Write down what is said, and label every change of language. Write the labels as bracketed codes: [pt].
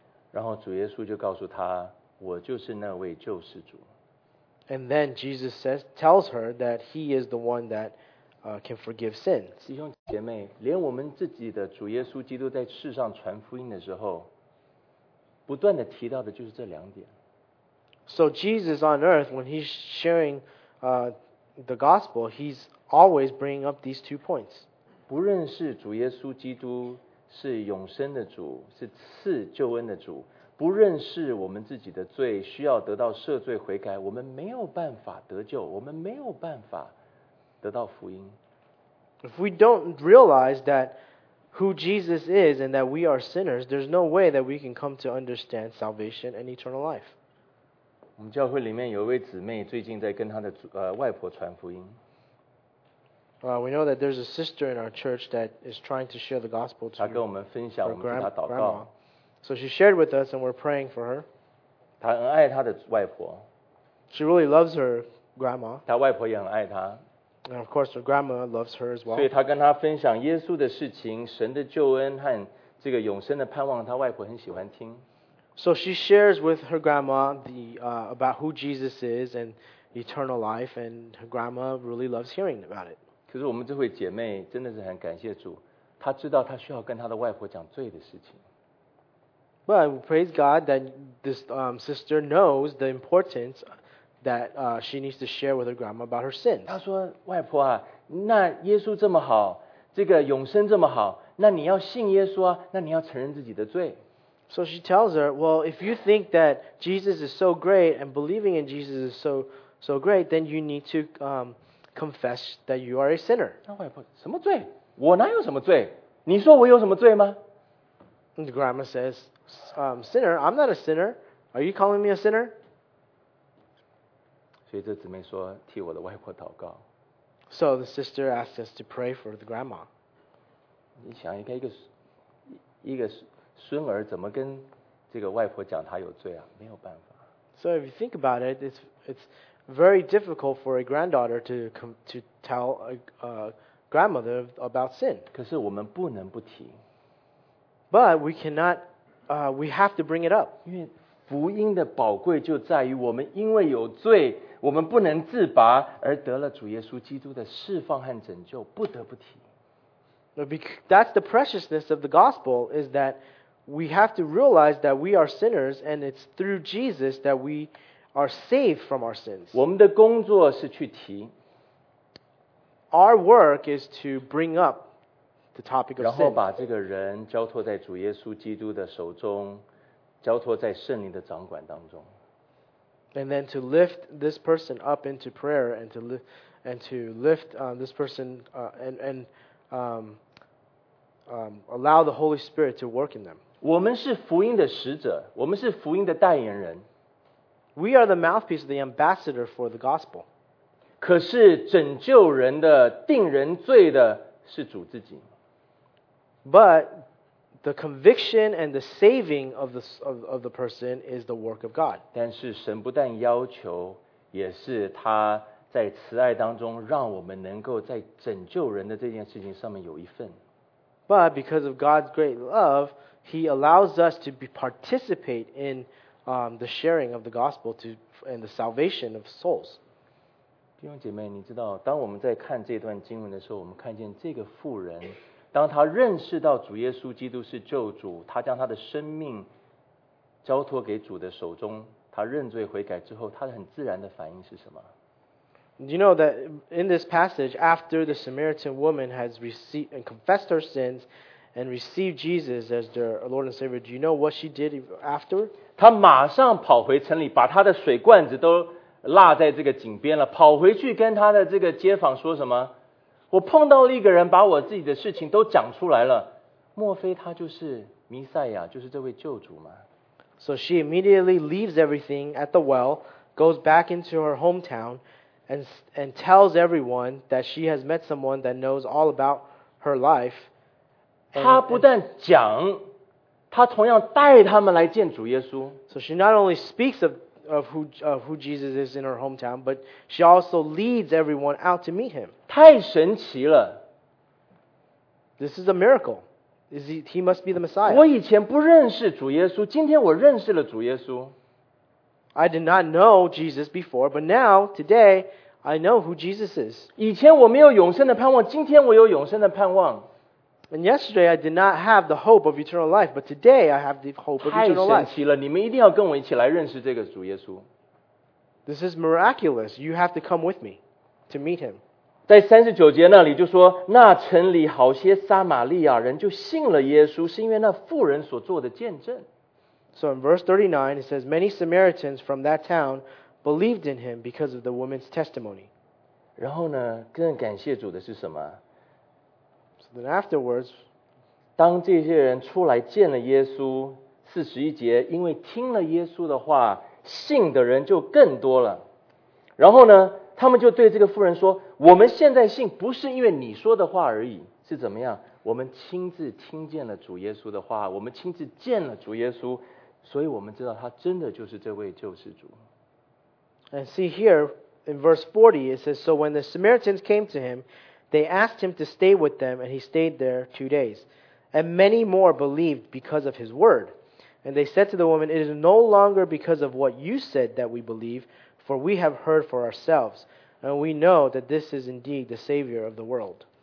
[zh] 然后主耶稣就告诉他，我就是那位救世主。 [en] And then Jesus tells her that he is the one that can forgive sin. [zh] 弟兄姐妹，连我们自己的主耶稣基督在世上传福音的时候，不断的提到的就是这两点。 [en] So Jesus on earth, when he's sharing the gospel, he's always bringing up these two points. [zh] 不认识主耶稣基督是永生的主，是赐救恩的主，不认识我们自己的罪需要得到赦罪悔改，我们没有办法得救，我们没有办法得到福音。 [en] If we don't realize that who Jesus is and that we are sinners, there's no way that we can come to understand salvation and eternal life. [zh] 我们教会里面有一位姊妹最近在跟她的外婆传福音。 [en] We know that there's a sister in our church that is trying to share the gospel to her [zh] grandma. 她跟我们分享，我们替她祷告。 [en] So she shared with us and we're praying for her. [zh] 她很爱她的外婆。 [en] She really loves her grandma. [zh] 她外婆也很爱她。 [en] And of course, her grandma loves her as well. [zh] 所以她跟她分享耶稣的事情，神的救恩和这个永生的盼望，她外婆很喜欢听。 [en] So she shares with her grandma about who Jesus is and eternal life, and her grandma really loves hearing about it. [zh] 可是我们这位姐妹真的是很感谢主，她知道她需要跟她的外婆讲罪的事情。 [en] But praise God that this sister knows the importance that she needs to share with her grandma about her sins. [zh] 她说，外婆啊，那耶稣这么好，这个永生这么好，那你要信耶稣啊，那你要承认自己的罪。 [en] So she tells her, well, if you think that Jesus is so great and believing in Jesus is so great, then you need to confess that you are a sinner. [zh] 那外婆，什么罪？我哪有什么罪？你说我有什么罪吗？ [en] And the grandma says, sinner, I'm not a sinner. Are you calling me a sinner? [zh] 所以这姊妹说，替我的外婆祷告。 [en] So the sister asked us to pray for the grandma. [zh] 你想一个孙儿怎么跟这个外婆讲她有罪啊，没有办法。 [en] So if you think about it, it's very difficult for a granddaughter to tell a grandmother about sin. [zh] 可是我们不能不提。 [en] But we cannot, we have to bring it up. [zh] 因为福音的宝贵就在于我们因为有罪，我们不能自拔，而得了主耶稣基督的释放和拯救，不得不提。 [en] That's the preciousness of the gospel, is that we have to realize that we are sinners, and it's through Jesus that we are saved from our sins. [zh] 我们的工作是去提。 [en] Our work is to bring up the topic of sin. [zh] 然后把这个人交托在主耶稣基督的手中，交托在圣灵的掌管当中。 [en] And then to lift this person up into prayer and to lift this person and allow the Holy Spirit to work in them. [zh] 我们是福音的使者，我们是福音的代言人。 [en] We are the mouthpiece, the ambassador for the gospel. [zh] 可是拯救人的、定人罪的是主自己。 [en] But the conviction and the saving of the person is the work of God. [zh] 但是神不但要求，也是他在慈爱当中让我们能够在拯救人的这件事情上面有一份。 [en] But because of God's great love, He allows us to participate in the sharing of the gospel and the salvation of souls. [zh] 弟兄姐妹，你知道，当我们在看这段经文的时候，我们看见这个妇人，当她认识到主耶稣基督是救主，她将她的生命交托给主的手中，她认罪悔改之后，她很自然的反应是什么？ [en] You know that in this passage, after the Samaritan woman has received and confessed her sins and received Jesus as their Lord and Savior, do you know what she did after? [zh] 她马上跑回城里，把她的水罐子都落在这个井边了，跑回去跟她的这个街坊说什么？我碰到了一个人，把我自己的事情都讲出来了，莫非他就是弥赛亚，就是这位救主吗？ [en] So she immediately leaves everything at the well, goes back into her hometown,and tells everyone that she has met someone that knows all about her life. [zh] 她不但讲，她同样带他们来见主耶稣。 [en] So she not only speaks of who Jesus is in her hometown, but she also leads everyone out to meet him. [zh] 太神奇了。 [en] This is a miracle. He must be the Messiah. [zh] 我以前不认识主耶稣，今天我认识了主耶稣。 [en] I did not know Jesus before, but now, today, I know who Jesus is. [zh] 以前我没有永生的盼望，今天我有永生的盼望。 [en] And yesterday, I did not have the hope of eternal life, but today, I have the hope of eternal life. [zh] 太神奇了，你们一定要跟我一起来认识这个主耶稣。 [en] This is miraculous. You have to come with me to meet him. [zh] 在39节那里就说，那城里好些撒玛利亚人就信了耶稣，是因为那妇人所做的见证。 [en] So in verse 39, it says, many Samaritans from that town believed in him because of the woman's testimony. [zh] 然后呢，更感谢主的是什么？ [en] So then afterwards, [zh] 当这些人出来见了耶稣，41节，因为听了耶稣的话，信的人就更多了。然后呢，他们就对这个妇人说，我们现在信不是因为你说的话而已，是怎么样？我们亲自听见了主耶稣的话，我们亲自见了主耶稣，所以我们知道他真的就是这位救世主。 [en] And see here in verse 40 it says, So when the Samaritans came to him, they asked him to stay with them, and he stayed there 2 days. And many more believed because of his word. And they said to the woman, It is no longer because of what you said that we believe, for we have heard for ourselves, and we know that this is indeed the Savior of the world.